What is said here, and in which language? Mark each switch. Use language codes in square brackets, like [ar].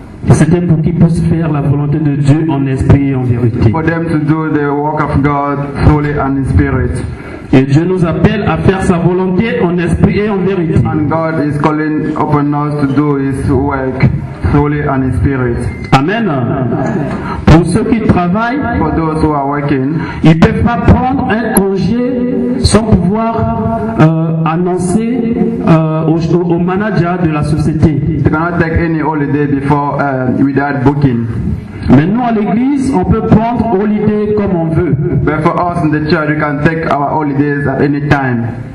[fr] C'était pour qu'ils puissent faire la volonté de Dieu en esprit et en vérité. [en] For them to do the work of God fully and in spirit. [fr] Et Dieu nous appelle à faire sa volonté en esprit et en vérité. [en] And God is calling upon us to do his work fully and in spirit. [fr] Amen. Pour ceux qui travaillent, [en] for those who are working, [fr] ils ne peuvent pas prendre un congé sans pouvoir annoncer au manager de la société. [en] They cannot take any holiday before without booking. [fr] Mais nous à l'église, on peut prendre holiday comme on veut. [en] But for us in the church, we can take our holidays at any time.